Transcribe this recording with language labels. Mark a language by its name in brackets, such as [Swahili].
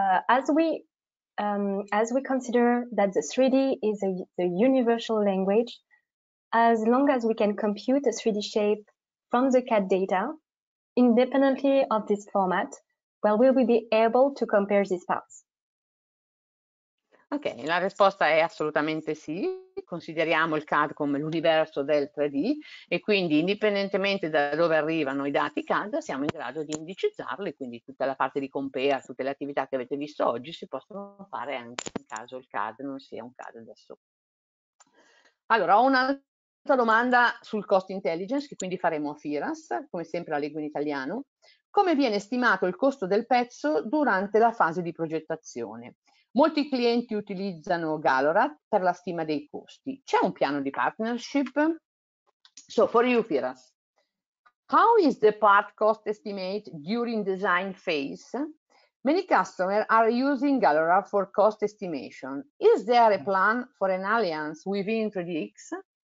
[English] As we consider that the 3D is the universal language, as long as we can compute a 3D shape from the CAD data, independently of this format, well, we will be able to compare these parts. [Italian] Ok, la risposta è assolutamente sì. Consideriamo il CAD come l'universo del 3D e quindi indipendentemente da dove arrivano i dati CAD siamo in grado di indicizzarli, quindi tutta la parte di compare, tutte le attività che avete visto oggi si possono fare anche in caso il CAD non sia un CAD da solo. Allora, ho un'altra domanda sul cost intelligence che quindi faremo a FIRAS, come sempre la leggo in italiano. Come viene stimato il costo del pezzo durante la fase di progettazione? Molti clienti utilizzano Galorad per la stima dei costi. C'è un piano di partnership? [English] So, for you, Firas, how is the part cost estimate during design phase? Many customers are using Galorad for cost estimation. Is there a plan for an alliance within 3DX?